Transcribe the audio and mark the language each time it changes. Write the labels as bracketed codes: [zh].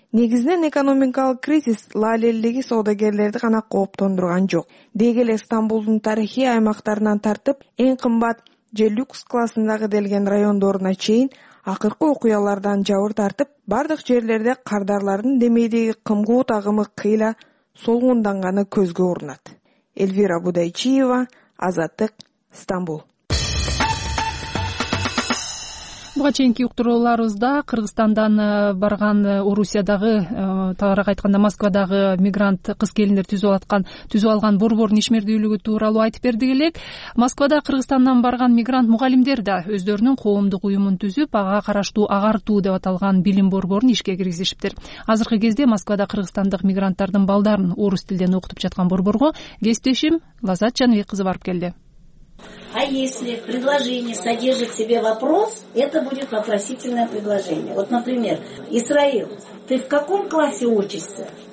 [ky] Негизинен экономикалык кризис лаалелиги соодагерлерди гана кооптондурган жок. Деги эле Стамбулдун тарыхый аймактарынан тартып, эң кымбат же люкс классындагы делген райондоруна чейин акыркы окуялардан жабыр тартып, бардык жерлерде кардарлардын демейдеги кымгуу агымы кыйла солгунданганы көзгө урунат. Эльвира Будайчиева, Азаттык, Стамбул. Буга чейинки уктурууларыбызда Кыргызстандан барган Орусиядагы, тагыраак айтканда Москвадагы мигрант кыз келиндер түзүп алган борборун ишмердүүлүгү тууралуу айтып бердик элек. Москвада Кыргызстандан барган мигрант мугалимдер да өздөрүнүн коомдук уюмун түзүп, ага караштуу агартуу деп аталган билим борборун ишке киргизишиптир. Азыркы кезде Москвада кыргызстандык мигранттардын балдарын орус тилден окутуп жаткан борборго кесиптешим Лаззат Жанбек кызы барып келди. [ru] А если предложение содержит в себе вопрос, это будет вопросительное предложение. Вот, например, Исраил, ты в каком классе учишься?